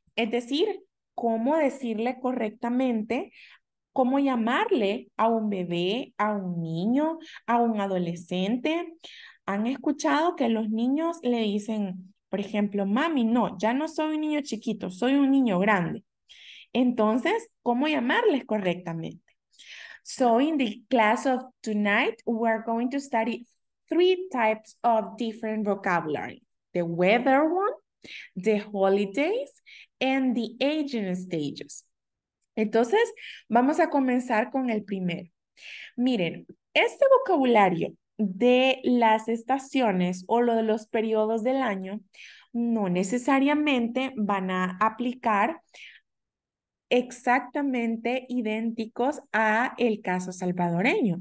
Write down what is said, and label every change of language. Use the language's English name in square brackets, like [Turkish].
[Spanish] Es decir, cómo decirle correctamente, cómo llamarle a un bebé, a un niño, a un adolescente. ¿Han escuchado que los niños le dicen, por ejemplo, mami, no, ya no soy un niño chiquito, soy un niño grande? Entonces, ¿cómo llamarles correctamente? [English] So in the class of tonight, we are going to study three types of different vocabulary: the weather one, the holidays, and the aging stages. [Spanish] Entonces, vamos a comenzar con el primero. Miren, este vocabulario de las estaciones o lo de los periodos del año no necesariamente van a aplicar exactamente idénticos a el caso salvadoreño.